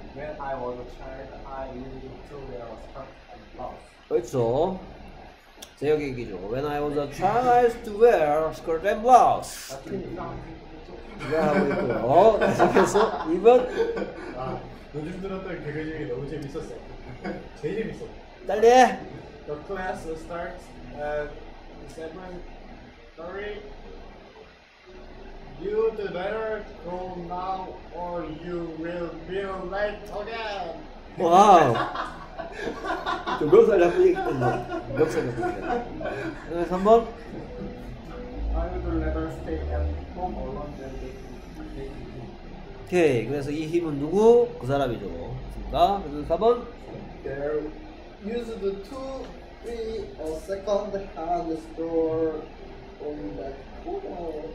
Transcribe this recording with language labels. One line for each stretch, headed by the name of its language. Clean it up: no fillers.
English: When I was a child, I used to wear a skirt and blouse.
Korean: 그렇죠. 제 여기 얘기죠.
English: When I was a child, I used to wear a skirt and blouse.
Korean: 이거 하고 있고요. 계속해서 이번. 아, 요즘 들었던 개그 중에 너무 재밌었어. 제일 재밌어. 빨리.
English: The class starts at 7:30. You'd better go now or you will be late again.
Korean: 와. 저 명사 잡고 얘기했던데. 명사 잡고 얘기했던데. 3번.
English: I would rather stay at home alone than they can.
Korean: 오케이. 그래서 이 힘은 누구? 그 사람이죠. 됐습니까? 그래서 4번.
English: There used to be a second hand store on that corner.